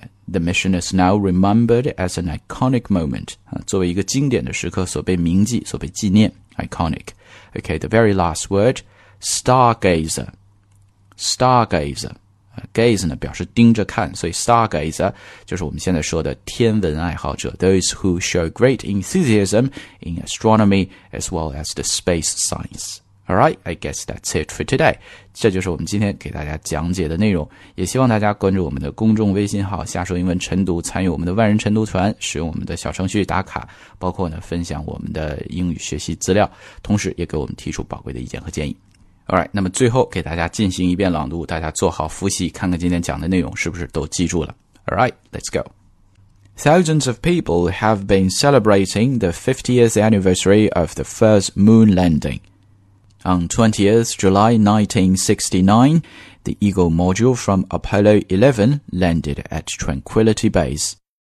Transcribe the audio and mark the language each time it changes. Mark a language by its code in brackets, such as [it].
[en] The mission is now remembered as an iconic moment. [zh] 作为一个经典的时刻所被铭记，所被纪念。 [en] Iconic. Okay, the very last word, stargazer. Stargazer. [zh] Gaze 呢表示盯着看，所以 stargazer 就是我们现在说的天文爱好者。 [en] Those who show great enthusiasm in astronomy as well as the space science. Alright, I guess that's it for today. [zh] 这就是我们今天给大家讲解的内容。也希望大家关注我们的公众微信号下说英文晨读，参与我们的万人晨读团，使用我们的小程序打卡，包括呢分享我们的英语学习资料，同时也给我们提出宝贵的意见和建议。 Alright, 那么最后给大家进行一遍朗读，大家做好复习，看看今天讲的内容是不是都记住了。 [en] Alright, let's go. Thousands of people have been celebrating the 50th anniversary of the first moon landing. On 20th July 1969, the Eagle module from Apollo 11 landed at Tranquility Base.